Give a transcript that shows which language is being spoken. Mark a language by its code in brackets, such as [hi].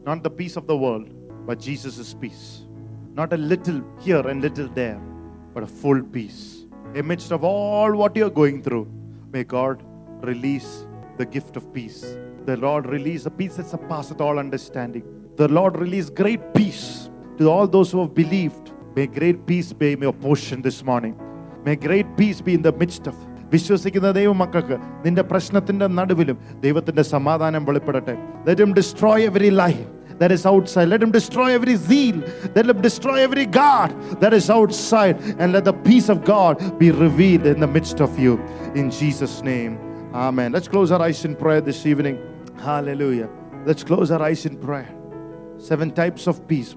[en] Not the peace of the world, but Jesus' peace. Not a little here and little there, but a full peace. Amidst of all what you're going through, may God release the gift of peace. The Lord release a peace that surpasses all understanding. The Lord release great peace to all those who have believed. May great peace be your portion this morning. May great peace be in the midst of [ml] വിശ്വസിക്കുന്ന ദൈവ മക്കൾക്ക് നിന്റെ പ്രശ്നത്തിന്റെ നടുവിലും ദൈവത്തിന്റെ സമാധാനം വെളിപ്പെടട്ടെ. [en] Let him destroy every lie that is outside. Let him destroy every zeal. Let him destroy every guard that is outside. And let the peace of God be revealed in the midst of you. In Jesus' name. Amen. Let's close our eyes in prayer this evening. Hallelujah. Let's close our eyes in prayer. Seven types of peace.